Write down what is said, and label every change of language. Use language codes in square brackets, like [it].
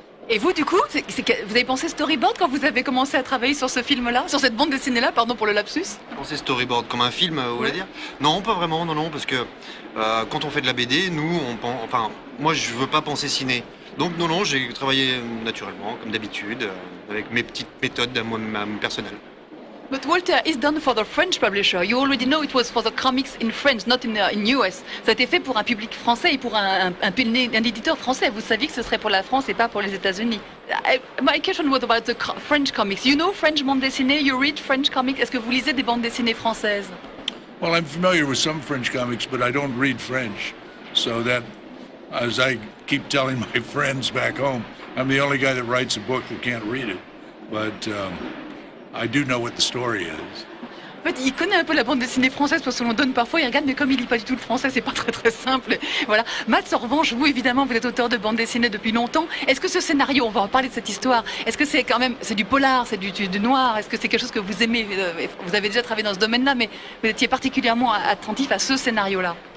[fr] Et vous, du coup, vous avez pensé storyboard quand vous avez commencé à travailler sur ce film-là, sur cette bande dessinée-là, pardon pour le lapsus? Pensé storyboard comme un film, vous voulez dire? Non, pas vraiment, non, parce que quand on fait de la BD, nous, on pense, enfin, moi, je veux pas penser ciné. Donc, non, j'ai travaillé naturellement, comme d'habitude, avec mes petites méthodes à moi-même personnelles. [en] But Walter is done for the French publisher. You already know it was for the comics in French, not in US. [fr] Ça a été fait pour un public français et pour un éditeur français. Vous saviez que ce serait pour la France et pas pour les États-Unis. [en] My question was about the French comics. You know French bande dessinée? You read French comics? [fr] Est-ce que vous lisez des bandes dessinées françaises? [en] Well, I'm familiar with some French comics, but I don't read French. So that, as I keep telling my friends back home, I'm the only guy that writes a book that can't read it. But I do know what the story is. [fr] En fait, il connaît un peu la bande dessinée française, parce qu'on donne parfois, il regarde, mais comme il lit pas du tout le français, c'est pas très très simple. Voilà. Mats, en revanche, vous, évidemment, vous êtes auteur de bande dessinée depuis longtemps. Est-ce que ce scénario, on va en parler de cette histoire, est-ce que c'est quand même, c'est du polar, c'est du noir, est-ce que c'est quelque chose que vous aimez? Vous avez déjà travaillé dans ce domaine-là, mais vous étiez particulièrement attentif à ce scénario-là.